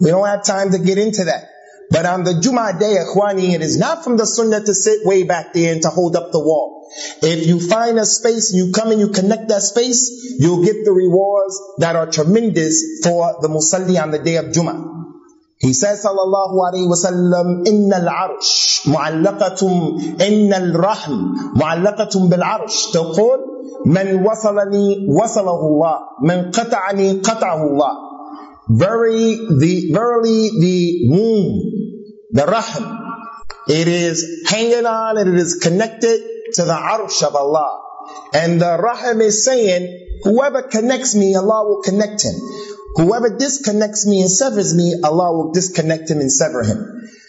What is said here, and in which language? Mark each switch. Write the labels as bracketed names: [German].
[English] We don't have time to get into that. But on the Jummah day, Ikhwani, it is not from the Sunnah to sit way back there and to hold up the wall. If you find a space, you come and you connect that space, you'll get the rewards that are tremendous for the Musalli on the day of Jummah. He says, [Arabic] sallallahu alayhi wa sallam, إِنَّ الْعَرْشِ مُعَلَّقَةٌ إِنَّ الْرَحْمِ مُعَلَّقَةٌ بِالْعَرْشِ تَقُولْ مَنْ وَصَلَنِي وَصَلَهُ اللَّهُ مَنْ قَطَعَنِي قَطَعَهُ اللَّهُ. [English] Verily the womb, the rahm, it is hanging on and it is connected to the arsh of Allah. And the rahm is saying, whoever connects me, Allah will connect him. Whoever disconnects me and severs me, Allah will disconnect him and sever him.